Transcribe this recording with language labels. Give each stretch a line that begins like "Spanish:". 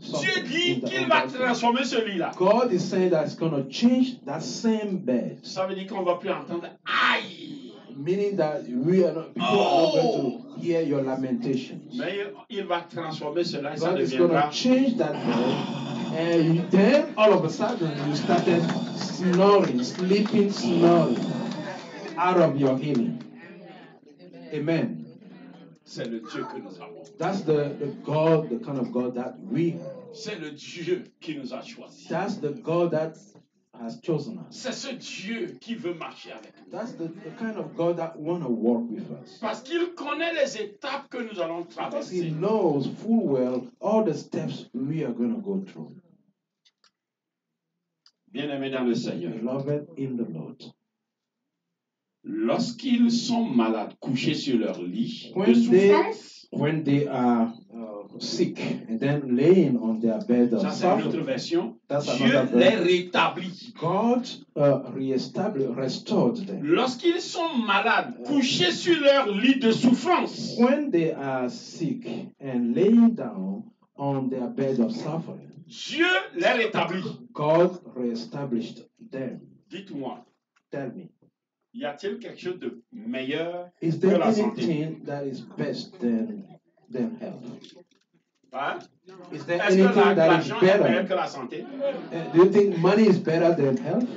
French: Dieu dit qu'il va transformer ce lit-là.
English: God is saying that it's going to change that same bed.
French: Ça veut dire qu'on ne va plus entendre aïe!
English: Meaning that we are not going to hear your lamentations.
French: Mais il va transformer cela et ça
English: God
French: deviendra.
English: God is going to change that bed, and then all of a sudden you started snoring, sleeping snoring out of your healing. Amen.
French: C'est le Dieu que nous avons.
English: That's the God, the kind of God that we have.
French: C'est le Dieu qui nous a choisi.
English: That's the God that has chosen us.
French: C'est ce Dieu qui veut marcher avec nous.
English: That's the kind of God that want to work with us.
French: Parce qu'il connaît les étapes que nous allons traverser.
English: Because he knows full well all the steps we are going to go through.
French: Bien-aimés dans le Seigneur.
English: Beloved in the Lord.
French: Lorsqu'ils sont malades, couchés sur leur lit
English: when
French: de souffrance,
English: when they are sick and then laying on their bed of suffering.
French: Ça c'est notre version. Dieu les rétablit.
English: God re-establish, restored them.
French: Lorsqu'ils sont malades, couchés sur leur lit de souffrance.
English: When they are sick and laying down on their bed of suffering.
French: Dieu les rétablit.
English: God re-established them.
French: Dites-moi.
English: Tell me.
French: Y a-t-il quelque chose de meilleur que la santé?
English: Is there anything that is best than health? Is there anything that is better? Do you think money is better than health?